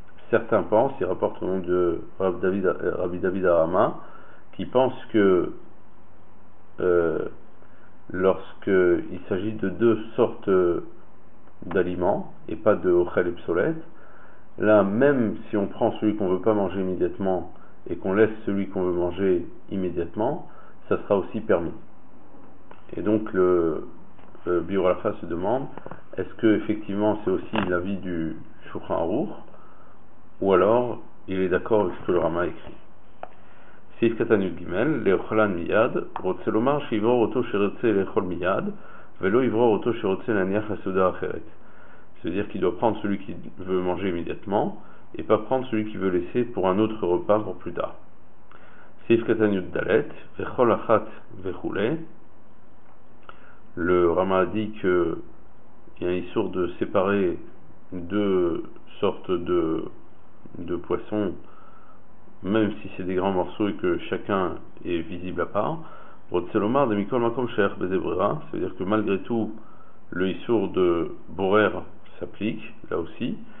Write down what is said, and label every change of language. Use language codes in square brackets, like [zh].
[fr] Certains pensent, ils rapportent au nom de Rabbi David Arama, qui pense que lorsqu'il s'agit de deux sortes d'aliments et pas de ochel et psolet, là même si on prend celui qu'on ne veut pas manger immédiatement et qu'on laisse celui qu'on veut manger immédiatement, ça sera aussi permis. Et donc le Biur Halakha se demande, est-ce que effectivement c'est aussi l'avis du Shulchan Aruch ou alors il est d'accord avec ce que le Rama écrit. [he] סעיף קטן י"ג, לאוכלן מיד, רוצה לומר שיברור אותו שרוצה לאכול מיד, ולא יברור אותו שרוצה להניח לסעודה אחרת. [fr] C'est-à-dire qu'il doit prendre celui qui veut manger immédiatement, et pas prendre celui qui veut laisser pour un autre repas pour plus tard. [he] סעיף קטן י"ד, וכל אחת וכולי. [fr] Le Rama dit qu'il y a une histoire de séparer deux sortes de poissons, même si c'est des grands morceaux et que chacun est visible à part. [he] Rotselomar de Mikol Makom Sher Bezebrera, [fr] c'est-à-dire que malgré tout, le issour de Borer s'applique, là aussi.